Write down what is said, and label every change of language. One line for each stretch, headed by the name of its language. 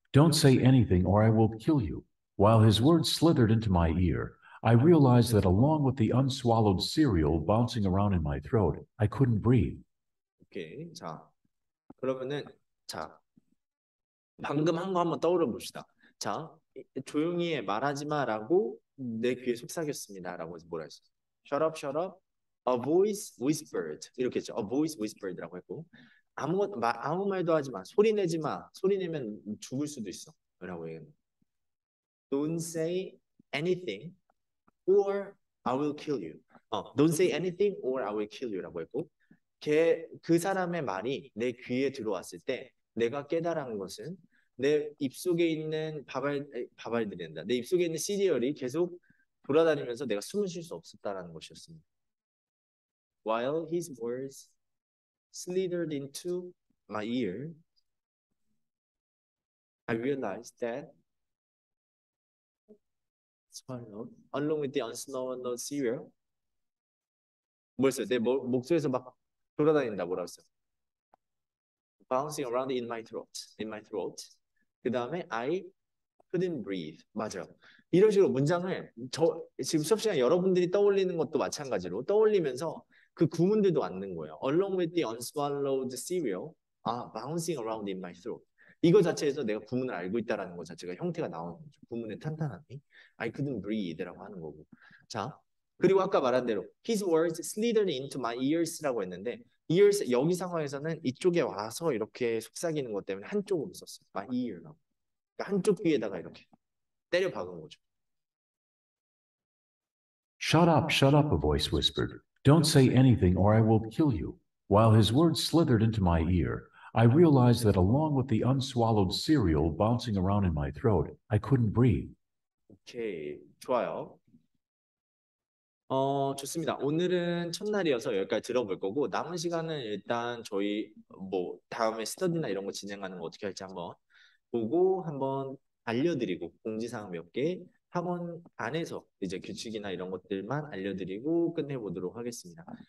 English: Don't say anything or I will kill you. While his words slithered into my ear, I realized that along with the unswallowed cereal bouncing around in my throat, I couldn't breathe.
Korean: 오케이. 자, 그러면은 자 방금 한거 한번 떠올려 봅시다. 자, 조용히 해 말하지 마라고 내 귀에 속삭였습니다라고 뭐라 했어?
English: Shut up, a voice whispered
Korean: 이렇게 했죠.
English: A voice whispered
Korean: 라고 했고 아무 말도 하지 마, 소리 내지 마, 소리 내면 죽을 수도 있어라고 얘기했는데.
English: Don't say anything or I will kill you. Don't say anything or I will kill you라고 했고.
Korean: 그 사람의 말이 내 귀에 들어왔을 때 내가 깨달은 것은 내 입속에 있는 바발들이란다. 내 입속에 있는 시리얼이 계속 돌아다니면서 내가 숨을 쉴수 없었다라는 것이었습니다.
English: While his words slithered into my ear, I realized that along with the unsnow and the cereal
Korean: 뭐였어요? 내 목소리에서 막 돌아다닌다 뭐라고 했어요?
English: Bouncing around in my throat. 그 다음에 I couldn't breathe.
Korean: 맞아요. 이런 식으로 문장을 지금 수업 시간 여러분들이 떠올리는 것도 마찬가지로 떠올리면서 그 구문들도 맞는 거예요.
English: Along with the unswallowed cereal, bouncing around in my throat.
Korean: 이거 자체에서 내가 구문을 알고 있다라는 것 자체가 형태가 나오는 거죠. 구문의 탄탄함이
English: I couldn't breathe
Korean: 라고 하는 거고. 자. 그리고 아까 말한 대로
English: his words slithered into my ears
Korean: 라고 했는데 ears 여기 상황에서는 이쪽에 와서 이렇게 속삭이는 것 때문에 한쪽으로 썼어요. my ear라고. 한쪽 귀에다가 이렇게 때려 박은 거죠.
English: Shut up, a voice whispered. Don't say anything or I will kill you. While his words slithered into my ear, I realized that along with the unswallowed cereal bouncing around in my throat, I couldn't breathe.
Korean: 오케이, 좋아요. 좋습니다. 오늘은 첫날이어서 여기까지 들어볼 거고, 남은 시간은 일단 저희 뭐 다음에 스터디나 이런 거 진행하는 거 어떻게 할지 한번 보고 한번 알려드리고, 공지사항 몇개 학원 안에서 이제 규칙이나 이런 것들만 알려드리고 끝내보도록 하겠습니다.